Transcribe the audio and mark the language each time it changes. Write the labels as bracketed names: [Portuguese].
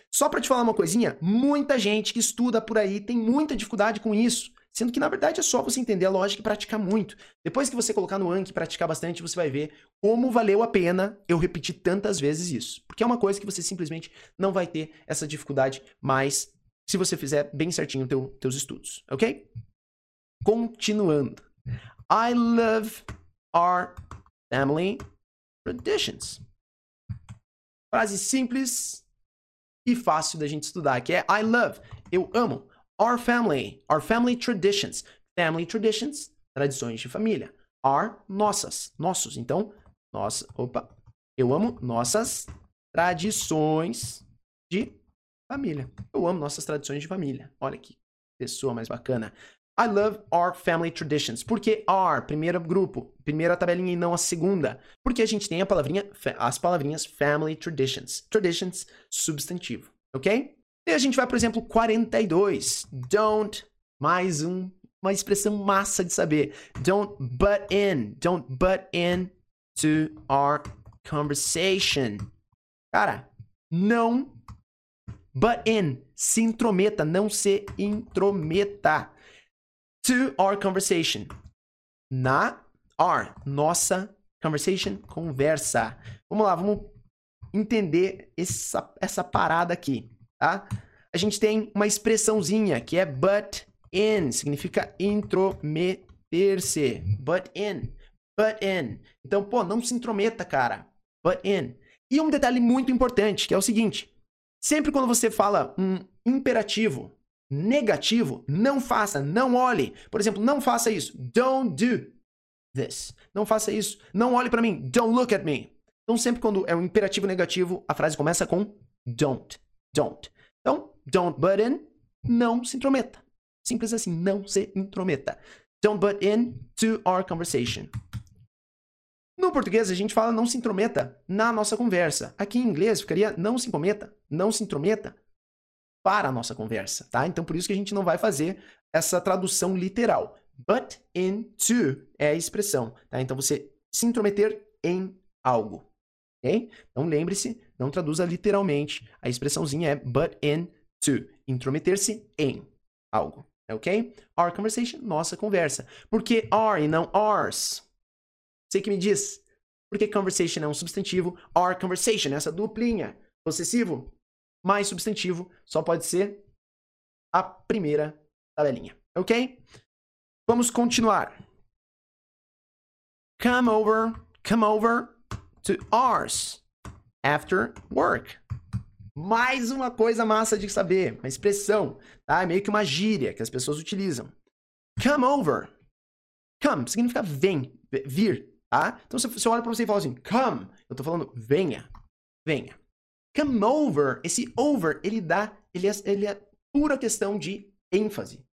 [Portuguese] Só para te falar uma coisinha, muita gente que estuda por aí tem muita dificuldade com isso, sendo que, na verdade, é só você entender a lógica e praticar muito. Depois que você colocar no Anki e praticar bastante, você vai ver como valeu a pena eu repetir tantas vezes isso. Porque é uma coisa que você simplesmente não vai ter essa dificuldade mais se você fizer bem certinho os teus estudos, ok? Continuando. [English] I love our family traditions. [Portuguese] Frase simples e fácil da gente estudar, que é [English] I love, [Portuguese] eu amo, [English] our family traditions. Family traditions, [Portuguese] tradições de família. Are, nossas, nossos. Então, nossa, opa, eu amo nossas tradições de família. Eu amo nossas tradições de família. Olha que pessoa mais bacana. [English] I love our family traditions. [Portuguese] Por que our? Primeiro grupo, primeira tabelinha e não a segunda. Porque a gente tem a palavrinha, as palavrinhas [English] family traditions. [Portuguese] Traditions, substantivo, ok? E a gente vai para o exemplo 42. Don't, mais uma expressão massa de saber. [English] Don't butt in to our conversation. [Portuguese] Cara, não butt in, se intrometa, não se intrometa. [English] To our conversation. [Portuguese] Na, our, nossa, conversation, conversa. Vamos lá, vamos entender essa parada aqui, tá? A gente tem uma expressãozinha que é butt in, significa intrometer-se. Butt in. Então, pô, não se intrometa, cara. Butt in. E um detalhe muito importante, que é o seguinte. Sempre quando você fala um imperativo negativo, não faça, não olhe. Por exemplo, não faça isso. [English] Don't do this. [Portuguese] Não faça isso. Não olhe pra mim. [English] Don't look at me. [Portuguese] Então, sempre quando é um imperativo negativo, a frase começa com don't. Don't. Então, [English] don't butt in, [Portuguese] não se intrometa. Simples assim, não se intrometa. [English] Don't butt in to our conversation. [Portuguese] No português, a gente fala não se intrometa na nossa conversa. Aqui em inglês, ficaria não se intrometa não se intrometa para a nossa conversa, tá? Então, por isso que a gente não vai fazer essa tradução literal. But into é a expressão, tá? Então, você se intrometer em algo, ok? Então, lembre-se, não traduza literalmente. A expressãozinha é but into, intrometer-se em algo, ok? [English] Our conversation, [Portuguese] nossa conversa. Por que are e não ours? Você que me diz. Por que conversation é um substantivo? [English] Our conversation, [Portuguese] essa duplinha. Possessivo, mais substantivo, só pode ser a primeira tabelinha, ok? Vamos continuar. [English] Come over to ours after work. [Portuguese] Mais uma coisa massa de saber, uma expressão, tá? É meio que uma gíria que as pessoas utilizam. [English] Come over. [Portuguese] Come significa vem, vir, tá? Então, se eu olho pra você e falo assim, come, eu tô falando venha, venha. [English] Come over, [Portuguese] esse over, ele é pura questão de ênfase.